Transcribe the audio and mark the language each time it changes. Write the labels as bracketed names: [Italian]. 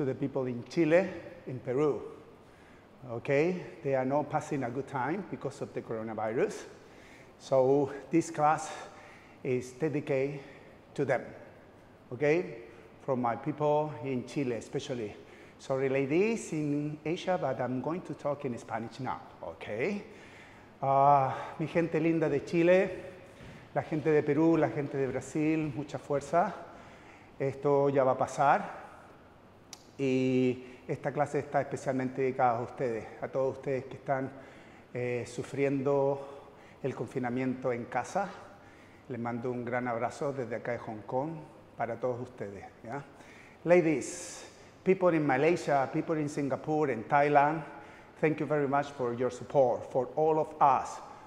[English] to the people in Chile, in Peru. Okay, they are not passing a good time because of the coronavirus. So this class is dedicated to them. Okay, from my people in Chile especially. Sorry ladies in Asia, but I'm going to talk in Spanish now, okay? [Spanish] Mi gente linda de Chile, la gente de Perú, la gente de Brasil, mucha fuerza. Esto ya va a pasar. Y esta clase está especialmente dedicada a ustedes, a todos ustedes que están sufriendo el confinamiento en casa. Les mando un gran abrazo desde acá de Hong Kong para todos ustedes. ¿Ya? [English] Ladies, people in Malaysia, people in Singapore, in Thailand, thank you very much for your support, for all of us.